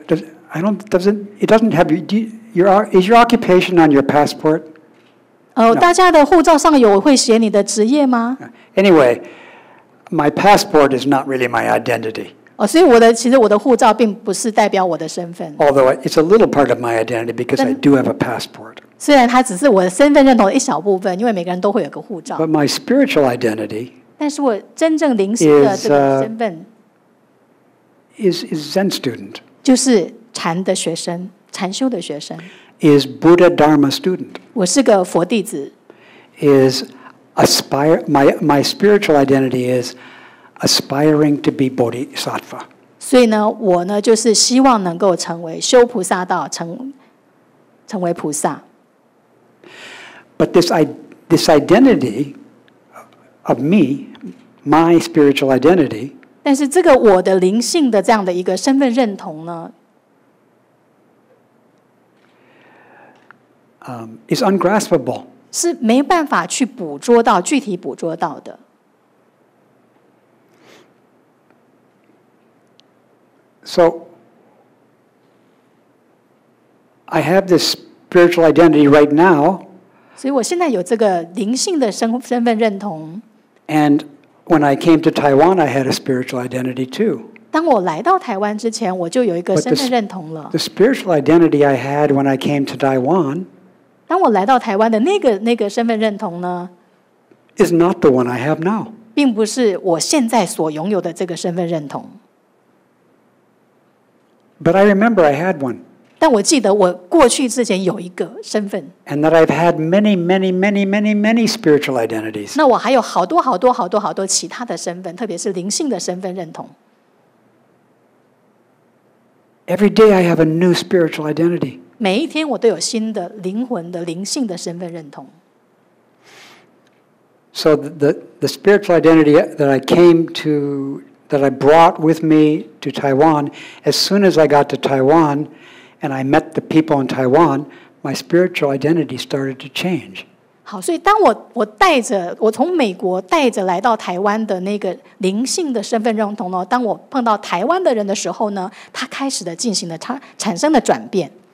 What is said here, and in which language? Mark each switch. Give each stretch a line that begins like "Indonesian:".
English: It doesn't have your is your occupation on your passport? Oh, no.
Chinese: 大家的护照上有会写你的职业吗
English: ？Anyway, my passport is not really my identity.
Chinese: 哦，所以我的其实我的护照并不是代表我的身份。
English: Although it's a little part of my identity because I do have a passport.
Chinese: 虽然它只是我的身份认同的一小部分，因为每个人都会有个护照。
English: But my spiritual identity.
Chinese: 但是我真正灵性的这个身份
English: is Zen student.
Chinese: 就是。禅的学生，禅修的学生。
English: Is Buddha Dharma student?
Chinese: 我是个佛弟子。
English: Is aspire my spiritual identity is aspiring to be Bodhisattva.
Chinese: 所以呢，我呢就是希望能够成为修菩萨道，成为菩萨。
English: But this identity of me, my spiritual identity.
Chinese: 但是这个我的灵性的这样的一个身份认同呢？
English: Is ungraspable.
Chinese: 是没办法去捕捉到具体捕捉到的。
English: So, I have this spiritual identity right now.
Chinese: 所以我现在有这个灵性的身份认同。
English: And when I came to Taiwan, I had a spiritual identity too.
Chinese: 当我来到台湾之前，我就有一个身份认同了。
English: The spiritual identity I had when I came to Taiwan.
Chinese: 当我来到台湾的那个身份认同呢
English: ？Is not the one I have now.
Chinese: 并不是我现在所拥有的这个身份认同。
English: But I remember I had one.
Chinese: 但我记得我过去之前有一个身份。
English: And that I've had many, many, many, many, many spiritual identities.
Chinese: 那我还有好多好多好多好多其他的身份，特别是灵性的身份认同。
English: Every day I have a new spiritual identity.
Chinese: 每一天我都有新的灵魂的灵性的身份认同。
English: So the spiritual identity that I came to, that I brought with me to Taiwan, as soon as I got to Taiwan, and I met the people in Taiwan, my spiritual identity started to change.
Chinese: 好，所以当我带着我从美国带着来到台湾的那个灵性的身份认同呢，当我碰到台湾的人的时候呢，它开始的进行了它产生了转变。